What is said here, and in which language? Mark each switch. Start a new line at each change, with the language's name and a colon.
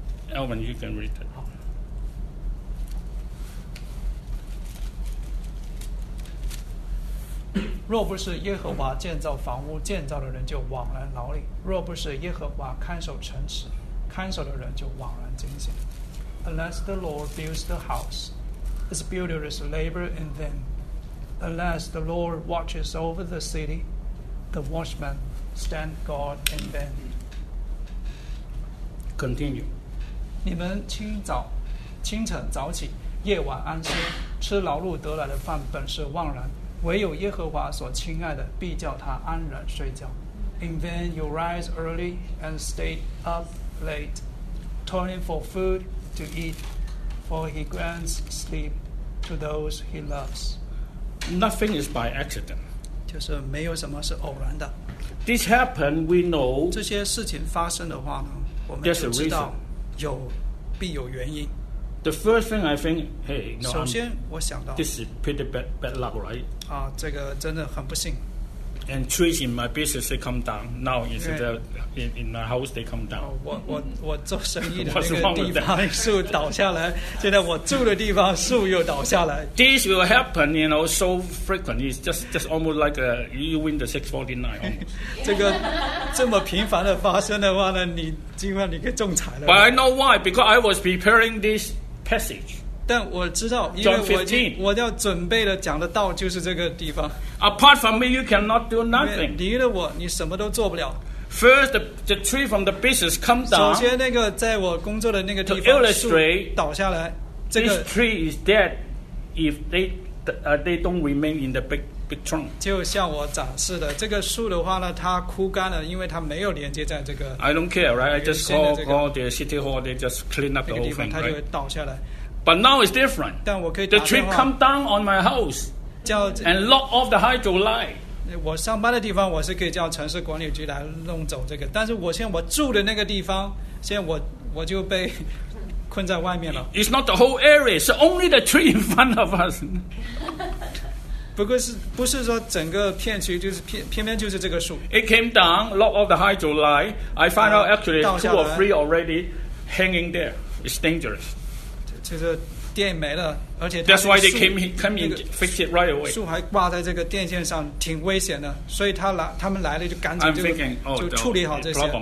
English: Elvin, you can read it.
Chinese: 好。若不是耶和华建造房屋，建造的人就枉然劳力；若不是耶和华看守城池，看守的人就枉然惊醒。
English: Unless the Lord builds the house, its builder is labor in vain. Alas, the Lord watches over the city. The watchman stand guard in vain. Continue.
Chinese: 你们清晨早起，夜晚安歇，吃劳碌得来的饭本是枉然，唯有耶和华所亲爱的必叫他安然睡觉。
English: In vain you rise early and stay up late, toiling for food to eat, for he grants sleep to those he loves. Nothing is by accident.
Chinese: 就是没有什么是偶然的。
English: This happened, we know.
Chinese: 这些事情发生的话呢，我们就知道有必有原因。
English: The first thing I think, hey, no,
Chinese: 首先我想到
English: this is pretty bad luck, right?
Chinese: 啊，这个真的很不幸。
English: And trees in my business they come down. Now is the in my house they come down.
Chinese: 我做生意的那个地方树倒下来，现在我住的地方树又倒下来。
English: This will happen, you know, so frequently. It's just almost like you win the 649 almost.
Chinese: 这个这么频繁的发生的话呢，你今晚你可以中彩了。
English: But I know why, because I was preparing this passage.
Chinese: 但我知道，因为我要准备的讲的道就是这个地方。
English: Apart from me, you cannot do nothing.
Chinese: 离了我，你什么都做不了。
English: First, the tree from the business come down.
Chinese: 首先，那个在我工作的那个地方
English: to illustrate,
Chinese: 树倒下来。这个
English: this tree is dead if they don't remain in the big trunk.
Chinese: 就像我展示的，这个树的话呢，它枯干了，因为它没有连接在这个。
English: I don't care, right? I just call the city hall. They just clean up the whole thing.
Chinese: 它就会倒下来。
English: But now it's different.
Chinese: 但我可以打电话。
English: The tree come down on my house,
Chinese: 叫
English: and lock off the hydro line.
Chinese: 我上班的地方我是可以叫城市管理局来弄走这个，但是我现在我住的那个地方，现在我就被困在外面了。
English: It's not the whole area. It's only the tree in front of us.
Chinese: 不是说整个片区，就是偏偏就是这个树。
English: It came down, lock off the hydro line. I find out actually two or three already hanging there. It's dangerous.
Chinese: 就是电没了，而且
English: That's why they came in fix it right away.
Chinese: 树还挂在这个电线上，挺危险的，所以他们来了就赶紧就处理好这些。